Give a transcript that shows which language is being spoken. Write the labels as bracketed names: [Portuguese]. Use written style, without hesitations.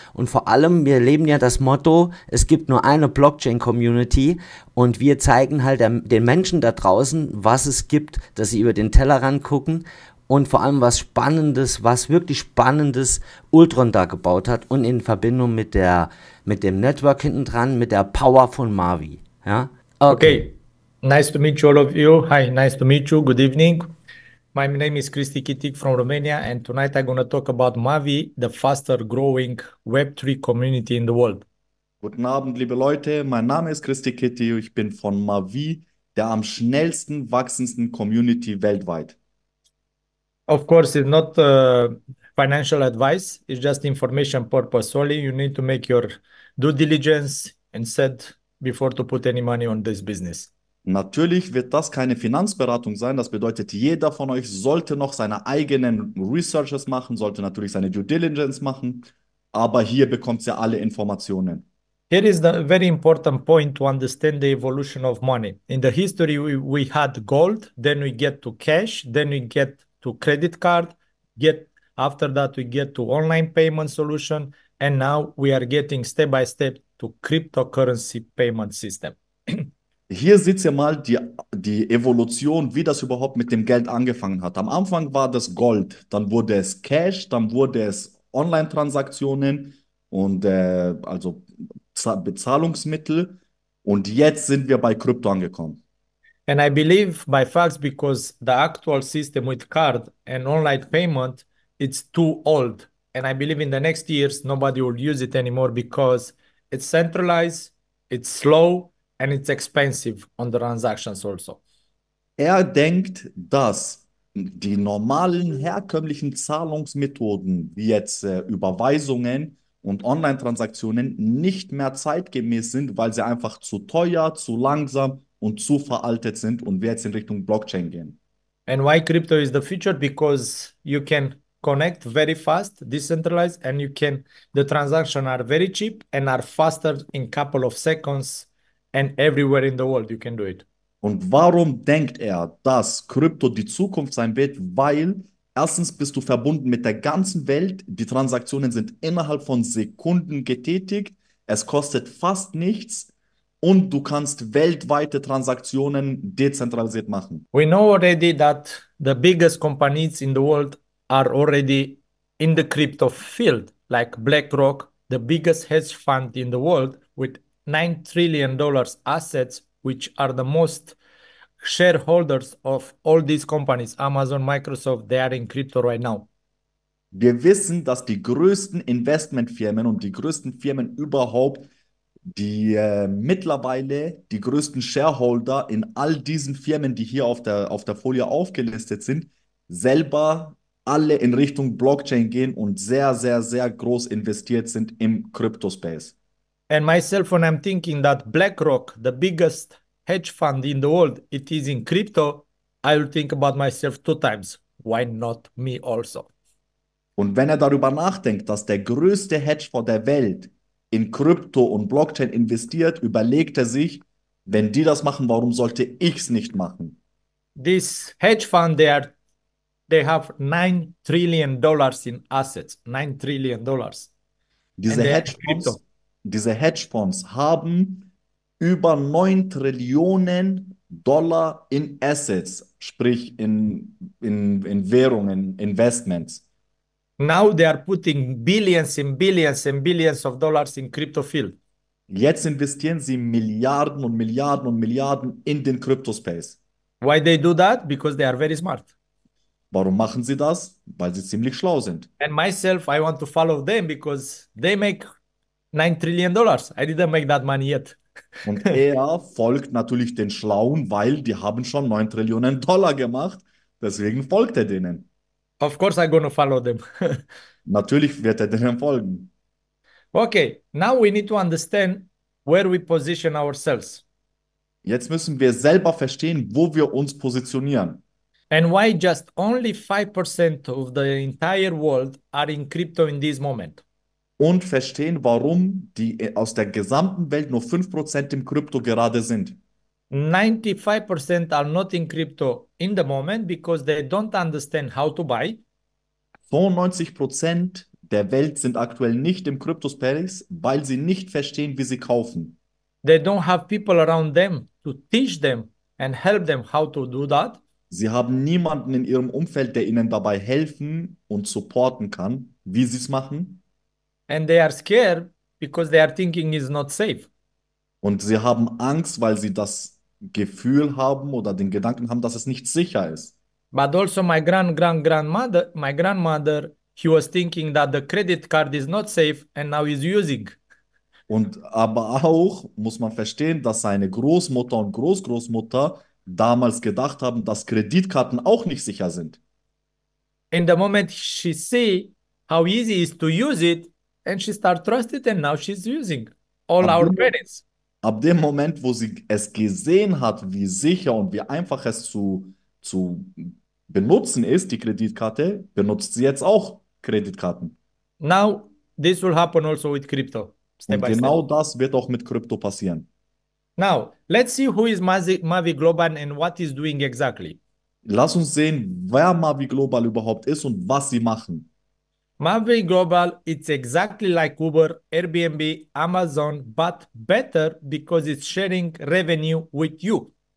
[German] Und vor allem, wir leben ja das Motto, es gibt nur eine Blockchain-Community und wir zeigen halt den Menschen da draußen, was es gibt, dass sie über den Tellerrand gucken und vor allem was Spannendes, was wirklich Spannendes Ultron da gebaut hat und in Verbindung mit dem Network hinten dran, mit der Power von Mavi. Ja, okay. [English] Okay, nice to meet you, all of you. Hi, nice to meet you. Good evening. My name is Christi Kitic from Romania, and tonight I'm going to talk about Mavi, the faster growing Web3 community in the world. [German] Guten Abend, liebe Leute. Mein Name ist Christi Kitty. Ich bin von Mavi, der am schnellsten wachsendsten Community weltweit. [English] Of course, it's not financial advice, it's just information purpose only. You need to make your due diligence and set before to put any money on this business. [German] Natürlich wird das keine Finanzberatung sein. Das bedeutet, jeder von euch sollte noch seine eigenen Researches machen, sollte natürlich seine Due Diligence machen. Aber hier bekommt ihr alle Informationen. [English] Here is the very important point to understand the evolution of money. In the history, we had gold, then we get to cash, then we get to credit card, get after that we get to online payment solution, and now we are getting step by step to cryptocurrency payment system. [German] Hier seht ihr mal die Evolution, wie das überhaupt mit dem Geld angefangen hat. Am Anfang war das Gold, dann wurde es Cash, dann wurde es Online-Transaktionen und also Bezahlungsmittel. Und jetzt sind wir bei Krypto angekommen. [English] And I believe by facts because the actual system with card and online payment, it's too old. And I believe in the next years, nobody will use it anymore because it's centralized, it's slow, and it's expensive on the transactions also. [German] Er denkt, dass die normalen herkömmlichen Zahlungsmethoden, wie jetzt Überweisungen und Online-Transaktionen, nicht mehr zeitgemäß sind, weil sie einfach zu teuer, zu langsam und zu veraltet sind und wir jetzt in Richtung Blockchain gehen. [English] And why crypto is the future? Because you can connect very fast, decentralized, and you can, the transactions are very cheap and are faster in couple of seconds and everywhere in the world you can do it. [German] Und warum denkt er, dass Krypto die Zukunft sein wird? Weil erstens bist du verbunden mit der ganzen Welt. Die Transaktionen sind innerhalb von Sekunden getätigt. Es kostet fast nichts. Und du kannst weltweite Transaktionen dezentralisiert machen. [English] We know already that the biggest companies in the world are already in the crypto field, like BlackRock, the biggest hedge fund in the world with $9 trillion assets, which are the most shareholders of all these companies, Amazon, Microsoft, they are in crypto right now. [German] Wir wissen, dass die größten Investmentfirmen und die größten Firmen überhaupt die mittlerweile die größten Shareholder in all diesen Firmen, die hier auf der Folie aufgelistet sind, selber alle in Richtung Blockchain gehen und sehr, sehr, sehr groß investiert sind im Crypto-Space. [English] And myself, when I'm thinking that BlackRock, the biggest hedge fund in the world, it is in crypto, I will think about myself two times. Why not me also? [German] Und wenn er darüber nachdenkt, dass der größte Hedgefonds der Welt in Krypto und Blockchain investiert, überlegt er sich, wenn die das machen, warum sollte ich es nicht machen? [English] This hedge fund, they have $9 trillion in assets. $9 trillion. [German] Diese Hedgefonds haben über 9 Trillionen Dollar in Assets, sprich in Währungen, Investments. [English] Now they are putting billions and billions and billions of dollars in crypto field. [German] Jetzt investieren sie Milliarden und Milliarden und Milliarden in den Crypto-Space. [English] Why they do that? Because they are very smart. [German] Warum machen sie das? Weil sie ziemlich schlau sind. [English] And myself, I want to follow them because they make $9 trillion. I didn't make that money yet. [German] Und er folgt natürlich den Schlauen, weil die haben schon 9 Trillionen Dollar gemacht. Deswegen folgt er denen. [English] Of course I'm going to follow them. [German] Natürlich wird er denen folgen. [English] Okay, now we need to understand where we position ourselves. [German] Jetzt müssen wir selber verstehen, wo wir uns positionieren. [English] And why just only 5% of the entire world are in crypto in this moment. [German] Und verstehen, warum die aus der gesamten Welt nur 5% im Krypto gerade sind. [English] 95% are not in crypto in the moment because they don't understand how to buy. [German] 95% der Welt sind aktuell nicht im Crypto-Space, weil sie nicht verstehen, wie sie kaufen. [English] They don't have people around them to teach them and help them how to do that. [German] Sie haben niemanden in ihrem Umfeld, der ihnen dabei helfen und supporten kann, wie sie es machen. [English] And they are scared because they are thinking it's not safe. [German] Und sie haben Angst, weil sie das Gefühl haben oder den Gedanken haben, dass es nicht sicher ist. [English] But also my grandmother, he was thinking that the credit card is not safe and now he's using. [German] Und aber auch muss man verstehen, dass seine Großmutter und Großgroßmutter damals gedacht haben, dass Kreditkarten auch nicht sicher sind. [English] In the moment she see how easy it is to use it and she start trusted and now she's using all our credits. [German] Ab dem Moment, wo sie es gesehen hat, wie sicher und wie einfach es zu benutzen ist, die Kreditkarte, benutzt sie jetzt auch Kreditkarten. [English] Now, this will happen also with crypto. [German] Und genau das wird auch mit Krypto passieren. [English] Now, let's see who is Mavi Global and what is doing exactly. [German] Lass uns sehen, wer Mavi Global überhaupt ist und was sie machen. [English] Mavi Global, it's exactly like Uber, Airbnb, Amazon, but better because it's sharing revenue with you.